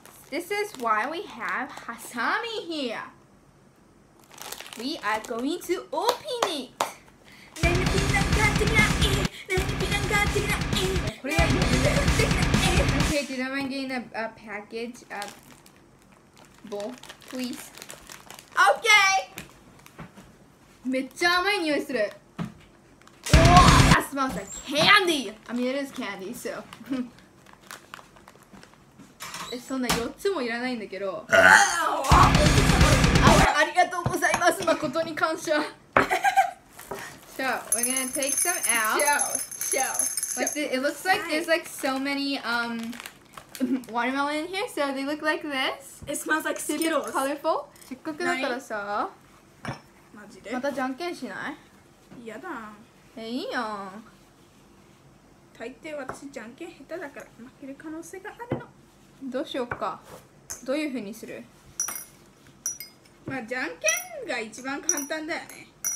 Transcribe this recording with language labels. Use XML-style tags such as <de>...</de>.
<en>This is why we have hasami here. We are going to open it. Okay, do you know I'm getting a package of bowl, please? Okay.</en> <ja>めっちゃ甘い匂いする。</ja> <en>Oh, that smells like candy. I mean, it is candy, so.</en> <ja>そんな4つもいらないんだけど。ありがとうございます。誠に感謝。</ja> <en>So, we're gonna take some out. Show. It looks like there's like so many watermelon in here, so they look like this. It smells like Skittles. Super colorful.</en> <ja>せっかくだからさ。マジで？またじゃんけんしない？やだ。え、いいよ。大抵私じゃんけん下手だから負ける可能性があるの。どうしようか。どういう風にする？まあじゃんけんが一番簡単だよね。</ja>